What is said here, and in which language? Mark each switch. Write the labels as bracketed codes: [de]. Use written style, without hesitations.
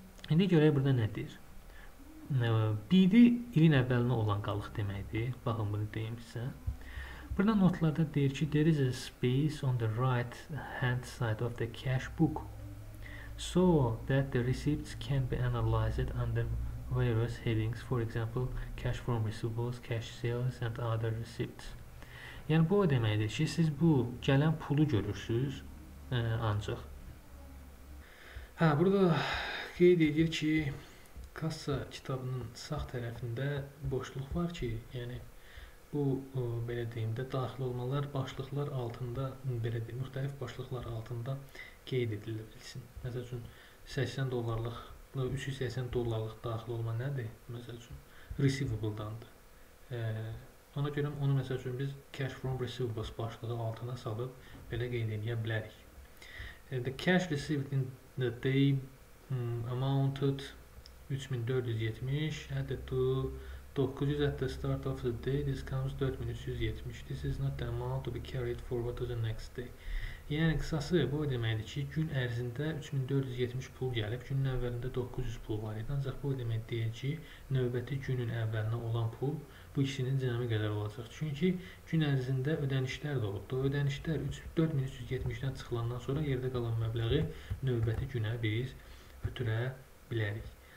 [az] İndi görək burada ne deyir? BD ilin əvvəlinə olan qalıq deməkdir. Baxın bunu deyim sizə. Burada notlarda deyir ki, [en] there is a space on the right hand side of the cash book so that the receipts can be analyzed under various headings, for example, cash from receivables, cash sales and other receipts. [az] Yəni bu o deməkdir ki, siz bu gələn pulu görürsünüz ancaq. Hə, burada qeyd edir ki, kassa kitabının sağ tərəfində boşluq var ki, yəni bu belə deyim də daxil olmalar başlıqlar altında belə deyim müxtəlif başlıqlar altında qeyd edilə bilsin. Məsəl üçün 80 dollarlıq 380 dollarlıq daxil olma nədir? Məsəl üçün receivable-dandır. Ona görə onu məsəl üçün biz cash from receivables başlığı altına salıb belə qeyd edə bilərik. [en] The cash received in the day amounted 3470 added to 900 at the start of the day, this comes 4370. This is not the amount to be carried forward to the next day. [az] Yəni, qısası bu o deməkdir ki, gün ərzində 3470 pul gəlib, günün əvvəlində 900 pul var idi. Ancaq bu o deməkdir ki, növbəti günün əvvəlində olan pul bu ikisinin cəmi qədər olacaq. Çünki gün ərzində ödənişlər də olubdu. O ödənişlər 4370-dən çıxılandan sonra yerdə qalan məbləği növbəti günə biz ötürə bilərik.